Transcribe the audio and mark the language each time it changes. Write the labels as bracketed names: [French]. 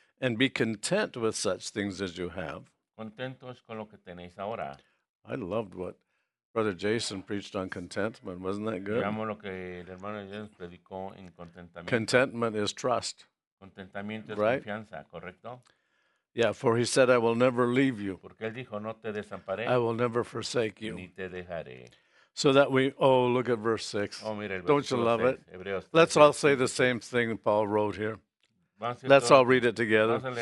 [English] And be content with such things as you have. [Spanish] Contentos con lo que tenéis ahora. [English] I loved what Brother Jason preached on contentment. Wasn't that good? [Spanish] Amo lo que el hermano Jason predicó en contentamiento. [English] Contentment is trust. [Spanish] Contentamiento es right. Confianza, ¿correcto? [English] Yeah, for he said, I will never leave you. [Spanish] Porque él dijo, no te desamparé. [English] I will never forsake you. [Spanish] Ni te dejaré. [English] So that we, oh, look at verse 6. [Spanish] Oh, mira, el [English] don't you love [Spanish] seis, [English] it? Let's all say the same thing Paul wrote here. Let's all read it together.